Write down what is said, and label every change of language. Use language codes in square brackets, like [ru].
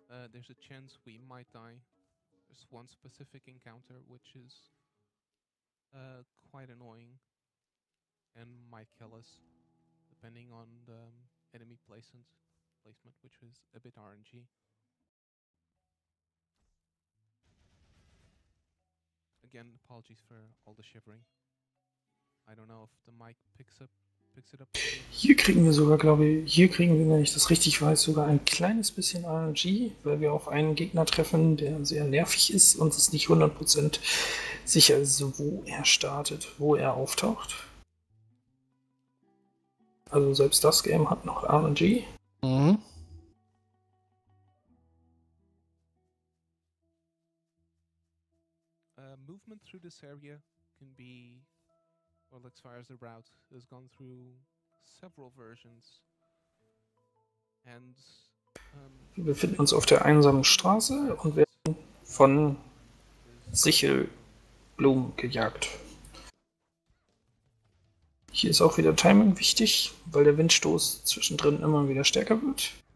[en] There's a chance we might die. There's one specific encounter which is quite annoying and might kill us depending on the enemy placement which is a bit RNG. Again, apologies for all the shivering. I don't know if the mic picks up [de] Hier kriegen wir sogar, glaube ich, hier kriegen wir, wenn ich das richtig weiß, sogar ein kleines bisschen RNG, weil wir auf einen Gegner treffen, der sehr nervig ist und es nicht 100% sicher ist, wo er startet, wo er auftaucht. Also selbst das Game hat noch RNG. Mhm. [en] Movement through this area can be, well, as far as the route has gone through several versions. And [de] wir befinden uns auf der einsamen Straße und werden von Sichelblumen gejagt. Hier ist auch wieder Timing wichtig, weil der Windstoß zwischendrin immer wieder stärker wird.